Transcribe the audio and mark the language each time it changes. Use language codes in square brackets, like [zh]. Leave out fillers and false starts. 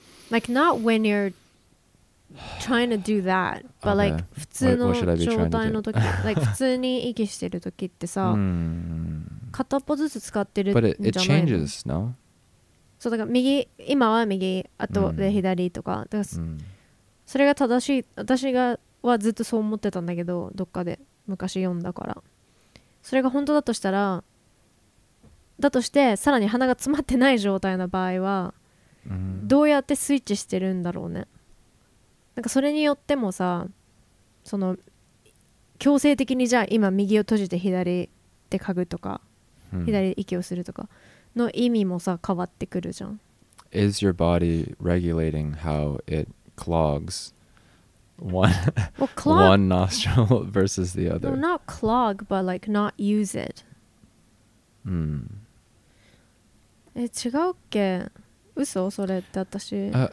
[en] Like not when you're trying to do that, but okay. [ja] Like 普通の状態の時、 like 普通に息してる時ってさ、片っぽずつ使ってるんじゃないの？ [en] But it changes, no? [ja] そうだから右、今は右、あとで左とか、だから、それが正しい、私がはずっとそう思ってたんだけど、どっかで昔読んだから、それが本当だとしたら、だとしてさらに鼻が詰まってない状態の場合は。 Mm-hmm. どうやってスイッチしてるんだろうね。なんかそれによってもさ、その強制的にじゃあ今右を閉じて左で嗅ぐとか、左で息をするとかの意味もさ変わってくるじゃん。 [en] Is your body regulating how it clogs one, well, one nostril versus the other? No, not clog, but like not use it. Mm. [ja] え、違うっけ？嘘それって私